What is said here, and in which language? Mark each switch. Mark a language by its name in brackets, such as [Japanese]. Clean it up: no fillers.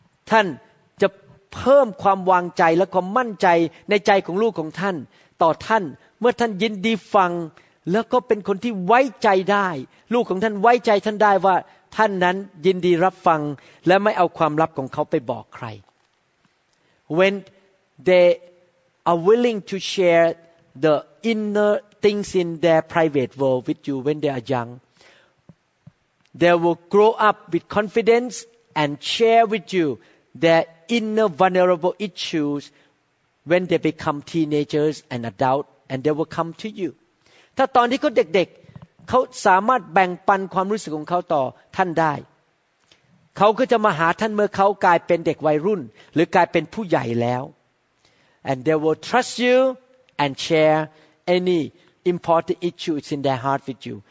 [Thai] ท่านจะเพิ่มความวางใจและความมั่นใจในใจของลูกของท่านต่อท่านเมื่อท่านยินดีฟังแล้วก็เป็นคนที่ไว้ใจได้ลูกของท่านไว้ใจท่านได้ว่าท่านนั้นยินดีรับฟังและไม่เอาความลับของเขาไปบอกใคร [English] WhenThey are willing to share the inner things in their private world with you when they are young. They will grow up with confidence and share with you their inner vulnerable issues when they become teenagers and adults, and they will come to you. [Thai] ถ้าตอนที่เขาเด็กๆ เขาสามารถแบ่งปันความรู้สึกของเขาต่อท่านได้ เขาก็จะมาหาท่านเมื่อเขากลายเป็นเด็กวัยรุ่นหรือกลายเป็นผู้ใหญ่แล้ว [English] And they will trust you and share any important issues in their heart with you.